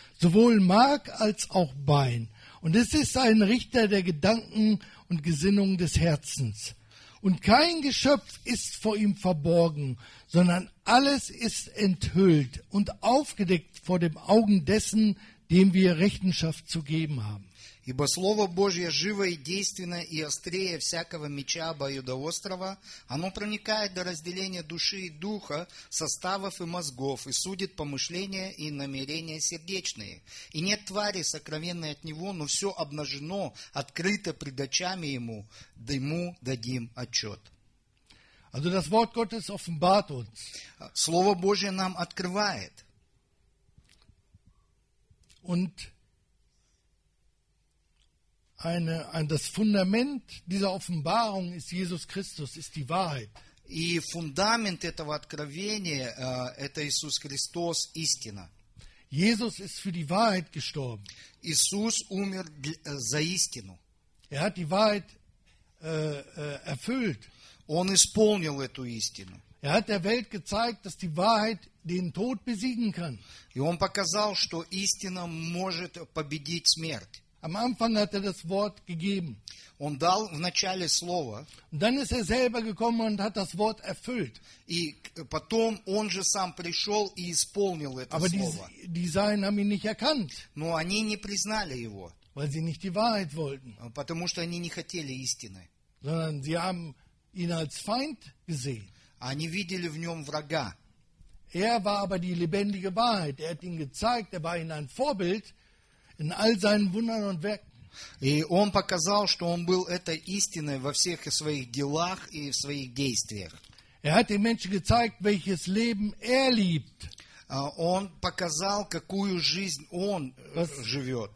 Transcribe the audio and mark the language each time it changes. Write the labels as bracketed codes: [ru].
[de] sowohl Mark als auch Bein. Und es ist ein Richter der Gedanken und Gesinnung des Herzens. Und kein Geschöpf ist vor ihm verborgen, sondern alles ist enthüllt und aufgedeckt vor dem Augen dessen, dem wir Rechenschaft zu geben haben. [ru] Ибо Слово Божье живо и действенно, и острее всякого меча обоюдоострого, оно проникает до разделения души и духа, составов и мозгов, и судит помышления и намерения сердечные. И нет твари сокровенной от него, но все обнажено, открыто пред очами ему, да ему дадим отчет. [de] Also das Wort Gottes offenbart uns. [ru] Слово Божье нам открывает. [de] Und Ein das Fundament dieser Offenbarung ist Jesus Christus, ist die Wahrheit. [ru] И фундамент этого откровения это Иисус Христос, истина. [de] Jesus ist für die Wahrheit gestorben. [ru] Иисус умер за истину. [de] Er hat die Wahrheit erfüllt. [ru] Он исполнил эту истину. [de] Er hat der Welt gezeigt, dass die Wahrheit den Tod besiegen kann. [ru] И он показал, что истина может победить смерть. [de] Am Anfang hat er das Wort gegeben. [ru] Он дал вначале слово. [de] Und dann ist er selber gekommen und hat das Wort erfüllt. [ru] И потом он же сам пришел и исполнил это [de] Aber [ru] слово. [de] Aber die Seien haben ihn nicht erkannt. [ru] Но они не признали его. [de] Weil sie nicht die Wahrheit wollten. [ru] Потому что они не хотели истины. [de] Sondern sie haben ihn als Feind gesehen. [ru] Они видели в нем врага. [de] Er war aber die lebendige Wahrheit. Er hat ihn gezeigt. Er war ihnen ein Vorbild. In all seinen Wundern und Werken. [ru] И он показал, что он был этой истиной во всех своих делах и в своих действиях. [de] Er hat den Menschen gezeigt, welches Leben er liebt. [ru] Он показал, какую жизнь он живет.